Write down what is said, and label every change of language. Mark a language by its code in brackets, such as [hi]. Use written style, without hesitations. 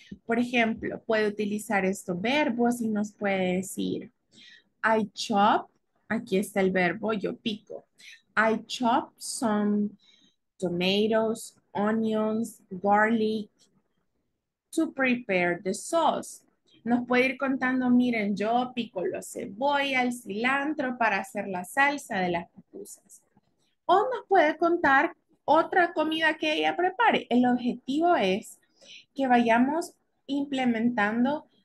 [es] Por ejemplo, puede utilizar estos verbos y nos puede decir. [en] I chop, [es] aquí está el verbo, yo pico. [en] I chop some tomatoes, onions, garlic to prepare the sauce. [es] Nos puede ir contando, miren, yo pico la cebolla, el cilantro para hacer la salsa de las pupusas. O nos puede contar otra comida que ella prepare. El objetivo es que vayamos implementando.